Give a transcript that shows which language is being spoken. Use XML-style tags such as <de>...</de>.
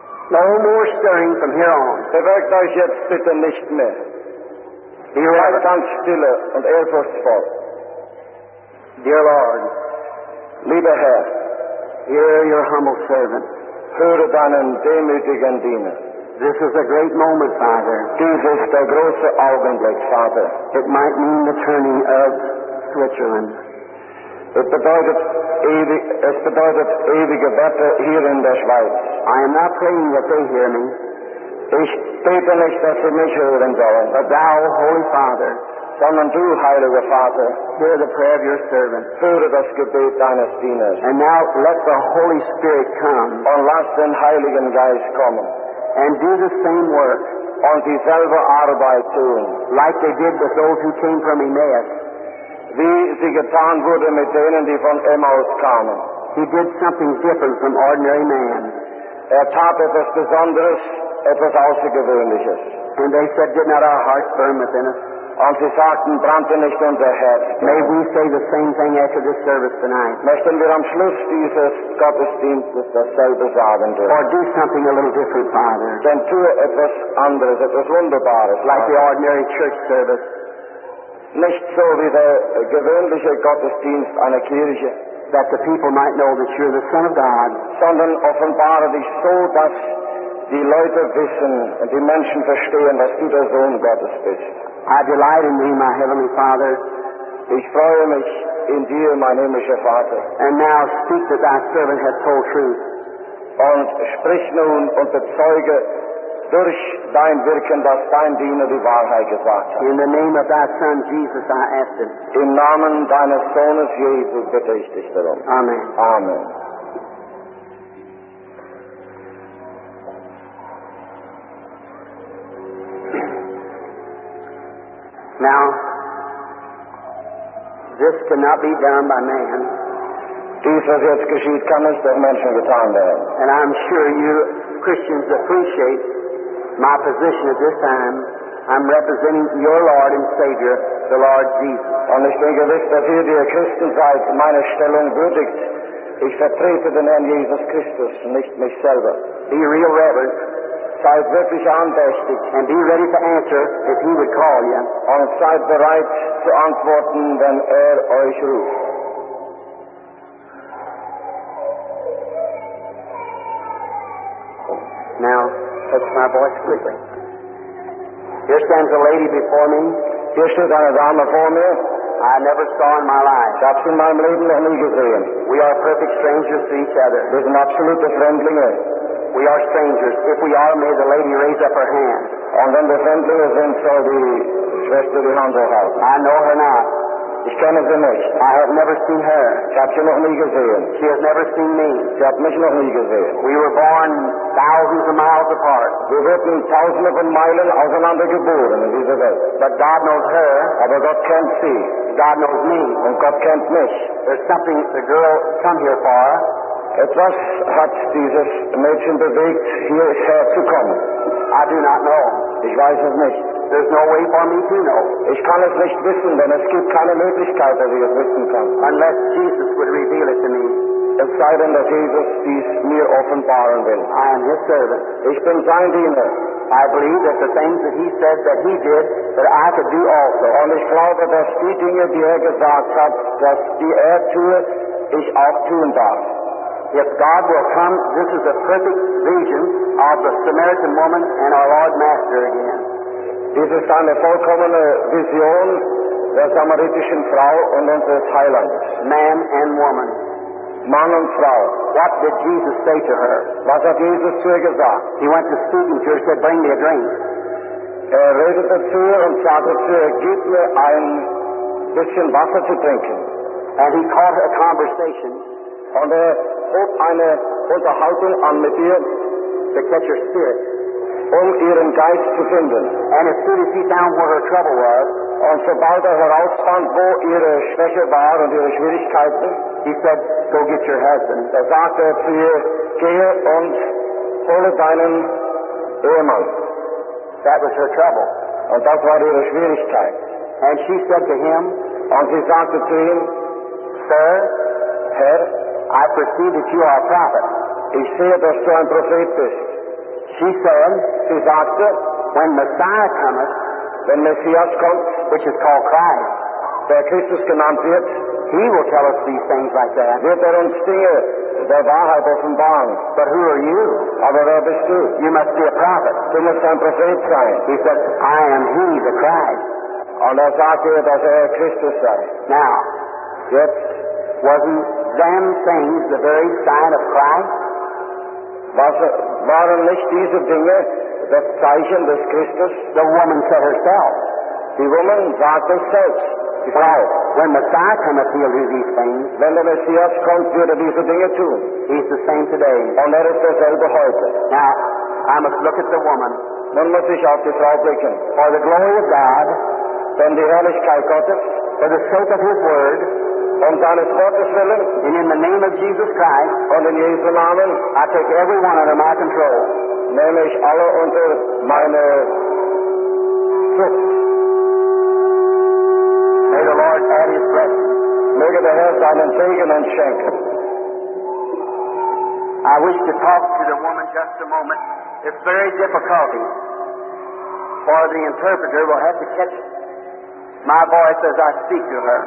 <en>No more stirring from here on. The work does yet sit and</en> <de>nicht mehr.</de> <en>Be right down</en> <de>stiller and ehrfurchtsvoll.</de> <en>Dear Lord,</en> <de>liebe Herr,</de> <en>hear your humble servant.</en> <de>Höre deinen demütigen Diener.</de> <en>This is a great moment, Father.</en> <de>Dies ist der große Augenblick, Father.</de> <en>It might mean the turning of Switzerland.</en> <de>Es bedeutet ewige Wetter hier in der Schweiz.</de> <en>I am not praying that they hear me.</en> <de>Ich bete nicht, dass sie mich hören sollen.</de> <en>But thou, Holy Father,</en> <de>sondern du, Heiliger Vater,</de> <en>hear the prayer of your servant.</en> <de>Höre das Gebet deines Dieners.</de> <en>And now let the Holy Spirit come.</en> <de>Und lass den Heiligen Geist kommen.</de> <en>And do the same work.</en> <de>Und dieselbe Arbeit tun.</de> <en>Like they did with those who came from Emmaus.</en> <de>Wie sie getan wurde mit denen, die von Emmaus kamen.</de> <en>He did something different from ordinary man.</en> <de>Tat etwas Besonderes, etwas Außergewöhnliches.</de> <en>And they said, did not our hearts burn within us?</en> <de>Und sie sagten, brannte nicht unser Herz.</de> <en>May we say the same thing after this service tonight.</en> <de>Möchten wir am Schluss dieses Gottesdienstes dasselbe sagen dürfen.</de> <en>Or do something a little different, Father.</en> <de>Denn tue etwas anderes, etwas Wunderbares.</de> <en>Like the ordinary church service.</en> <de>Nicht so wie der gewöhnliche Gottesdienst einer Kirche.</de> <en>That the people might know that you're the Son of God.</en> <de>Sondern offenbare dich so, dass die Leute wissen und die Menschen verstehen, dass du der Sohn Gottes bist.</de> <en>I delight in thee, my heavenly Father.</en> <de>Ich freue mich in dir, mein himmlischer Vater.</de> <en>And now speak that thy servant hath told truth.</en> <de>Und sprich nun und bezeuge durch dein Wirken, dass dein Diener die Wahrheit gesagt hat.</de> <en>In the name of thy Son Jesus, I ask it.</en> <de>Im Namen deines Sohnes Jesus bitte ich dich darum.</de> <en>Amen.</en> <de>Amen.</de> <en>Now, This cannot be done by man.</en> <de>Dieses jetzt geschieht, kann nicht durch Menschen getan werden.</de> <en>And I'm sure you Christians appreciate my position at this time. I'm representing your Lord and Savior, the Lord Jesus.</en> <de>Und ich denke, dass ihr, die Christen seid, meine Stellung würdigt. Ich vertrete den Herrn Jesus Christus, nicht mich selber.</de> <en>Be real reverent.</en> <de>Seid wirklich andächtig.</de> <en>And be ready to answer if he would call you.</en> <de>Und seid bereit zu antworten, wenn euch ruft.</de> <en>Now, touch my voice quickly. Here stands a lady before me.</en> <de>Hier steht eine Dame vor mir.</de> <en>I never saw in my life.</en> <de>Ich habe sie in meinem Leben noch nie gesehen.</de> <en>We are perfect strangers to each other.</en> <de>Wir sind absolute Fremdlinge.</de> <en>We are strangers. If we are, may the lady raise up her hand.</en> <de>Und wenn der Fremdlinge sind, soll die Schwester die Hand hochhalten.</de> <en>I know her not.</en> <de>Ich kenne sie nicht.</de> <en>I have never seen her.</en> <de>Ich habe sie noch nie gesehen.</de> <en>She has never seen me.</en> <de>Sie hat mich noch nie gesehen.</de> <en>We were born thousands of miles apart.</en> <de>Wir wurden tausende von Meilen auseinander geboren in dieser Welt.</de> <en>But God knows her.</en> <de>Aber Gott kennt sie.</de> <en>God knows me.</en> <de>Und Gott kennt mich.</de> <en>There's something the girl come here for.</en> <de>Etwas hat dieses Mädchen bewegt, hierher zu kommen.</de> <en>I do not know.</en> <de>Ich weiß es nicht.</de> <en>There's no way for me to know.</en> <de>Ich kann es nicht wissen, denn es gibt keine Möglichkeit, dass ich es wissen kann.</de> <en>Unless Jesus would reveal it to me.</en> <de>Es sei denn, dass Jesus dies mir offenbaren will.</de> <en>I am his servant.</en> <de>Ich bin sein Diener.</de> <en>I believe that the things that he said that he did, that I could do also.</en> <de>Und ich glaube, dass die Dinge, die gesagt hat, dass die tue, ich auch tun darf.</de> <en>If God will come, this is a perfect vision of the Samaritan woman and our Lord Master again.</en> <de>Dies ist eine vollkommene Vision der samaritischen Frau und unseres Heilandes.</de> <en>Man and woman.</en> <de>Mann und Frau.</de> <en>What did Jesus say to her?</en> <de>Was hat Jesus zu ihr gesagt?</de> <en>He went to speak and she said, bring me a drink.</en> <de>Er redete zu ihr und sagte zu ihr, gib mir ein bisschen Wasser zu trinken.</de> <en>And he caught a conversation.</en> <de>Und hob eine Unterhaltung an mit ihr.</de> <en>To catch her spirit.</en> <de>Ihren Geist zu finden.</de> <en>And as soon as he found where her trouble was,</en> <de>und sobald herausfand, wo ihre Schwäche war und ihre Schwierigkeiten,</de> <en>he said, go get your husband.</en> <de>Sagte zu ihr, gehe und hole deinen Ehemann.</de> <en>That was her trouble.</en> <de>Und das war ihre Schwierigkeit.</de> <en>And she said to him,</en> <de>und sie sagte zu ihm,</de> <en>Sir,</en> <de>Herr,</de> <en>I perceive that you are a prophet.</en> <de>Ich sehe, dass du ein Prophet bist.</de> <en>She said,</en> <de>sie sagte,</de> <en>when Messiah cometh,</en> <de>wenn Messias kommt,</de> <en>which is called Christ,</en> <de>der Christus genannt wird,</de> <en>he will tell us these things like that.</en> <de>Wird uns Dinge der Wahrheit offenbaren.</de> <en>But who are you?</en> <de>Aber wer bist du?</de> <en>You must be a prophet.</en> <de>Du musst ein Prophet sein.</de> <en>He said, I am he, the Christ.</en> <de>Und sagte, dass Christus sei.</de> <en>Now, yet, wasn't them things the very sign of Christ?</en> <de>Waren nicht diese Dinge das Zeichen des Christus?</de> <en>The woman said herself.</en> <de>Die Woman sagt es selbst.</de> <en>Frau, when Messiah cometh, he'll do these things.</en> <de>Wenn der Messias kommt, wird diese Dinge tun.</de> <en>He's the same today.</en> <de>Und ist derselbe heute.</de> <en>Now, I must look at the woman.</en> <de>Nun muss ich auf die Frau blicken.</de> <en>For the glory of God,</en> <de>denn die Herrlichkeit Gottes,</de> <en>for the sake of his word,</en> <de>und deines Wortes willen,</de> <en>and in the name of Jesus Christ,</en> <de>und in Jesu Namen,</de> <en>I take every one under my control.</en> <de>Nehme ich alle unter meine Schutz.</de> <en>May the Lord add his blessing.</en> <de>Möge der Herr seinen Segen uns schenken.</de> <en>I wish to talk to the woman just a moment. It's very difficult. For the interpreter will have to catch my voice as I speak to her.</en>